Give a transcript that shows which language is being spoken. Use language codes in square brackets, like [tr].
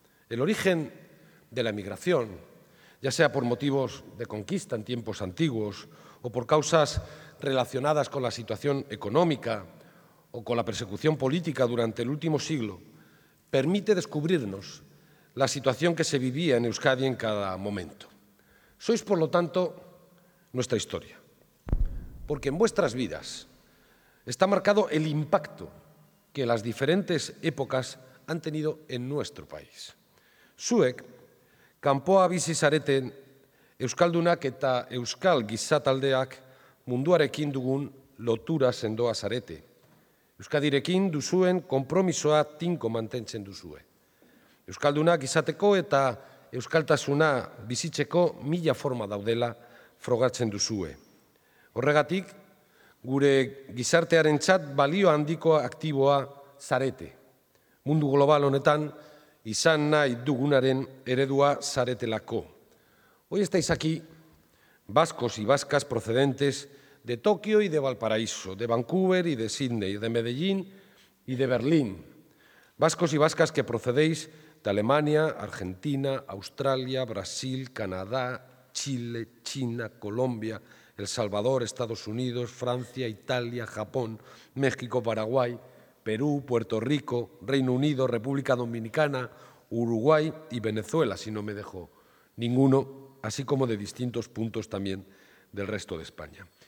[es] El origen de la emigración, ya sea por motivos de conquista en tiempos antiguos o por causas relacionadas con la situación económica o con la persecución política durante el último siglo, permite descubrirnos la situación que se vivía en Euskadi en cada momento. Sois, por lo tanto, nuestra historia, porque en vuestras vidas está marcado el impacto que las diferentes épocas han tenido en nuestro país. [eu] Zuek, kanpoa bizi zareten, euskaldunak eta euskal gizataldeak munduarekin dugun lotura sendoa zarete. Euskadirekin duzuen konpromisoa tinko mantentzen duzue. Euskaldunak izateko eta euskaltasuna bizitzeko mila forma daudela frogatzen duzue. Horregatik, gure gizartearentzat balio handiko aktiboa zarete. Mundu global honetan, izan nahi dugunaren eredua zaretelako. [es] Hoy estáis aquí, vascos y vascas procedentes de Tokio y de Valparaíso, de Vancouver y de Sydney, de Medellín y de Berlín. Vascos y vascas que procedéis de Alemania, Argentina, Australia, Brasil, Canadá, Chile, China, Colombia, El Salvador, Estados Unidos, Francia, Italia, Japón, México, Paraguay, Perú, Puerto Rico, Reino Unido, República Dominicana, Uruguay y Venezuela, si no me dejo ninguno, así como de distintos puntos también del resto de España.